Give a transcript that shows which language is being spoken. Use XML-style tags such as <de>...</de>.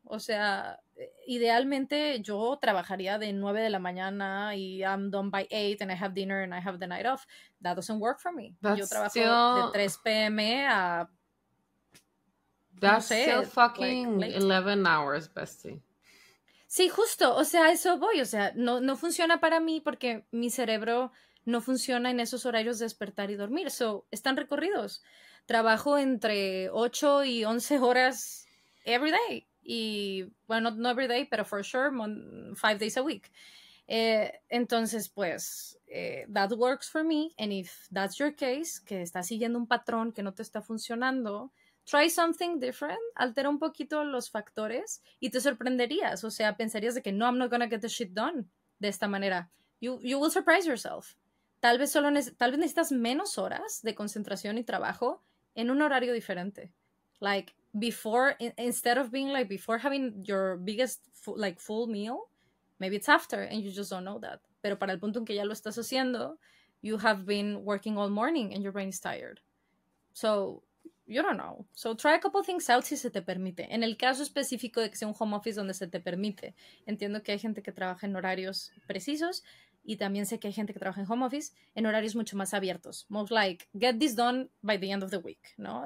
<es>O sea, idealmente yo trabajaría de 9 de la mañana y</es> <en>I'm done by 8 and I have dinner and I have the night off. That doesn't work for me. That's</en> <es>yo trabajo</es> <en>still,</en> <es>de 3 p.m. a...</es> <en>That's</en> <es>no sé,</es> <en>still fucking like 11 hours, bestie.</en> <es>Sí, justo. O sea, eso voy. O sea, no funciona para mí porque mi cerebro no funciona en esos horarios de despertar y dormir. So, están recorridos. Trabajo entre 8 y 11 horas</es> <en>every day.</en> <es>Y, bueno, no every day, pero</es> <en>for sure, 5 days a week.</en> <es>Entonces, pues,</es> <en>that works for me. And if that's your case,</en> <es>que estás siguiendo un patrón que no te está funcionando,</es> <en>try something different.</en> <es>Altera un poquito los factores y te sorprenderías. O sea, pensarías de que no,</es> <en>I'm not gonna get the shit done</en> <es>de esta manera.</es> <en>You will surprise yourself.</en> <es>Tal vez necesitas menos horas de concentración y trabajo en un horario diferente.</es> <en>Like, instead of being like, before having your biggest, like, full meal, maybe it's after, and you just don't know that.</en> <es>Pero para el punto en que ya lo estás haciendo,</es> <en>you have been working all morning, and your brain is tired. So, you don't know. So try a couple things out</en> <es>si se te permite. En el caso específico de que sea un home office donde se te permite. Entiendo que hay gente que trabaja en horarios precisos y también sé que hay gente que trabaja en home office en horarios mucho más abiertos.</es> <en>Most like, get this done by the end of the week,</en> <es>¿no?</es>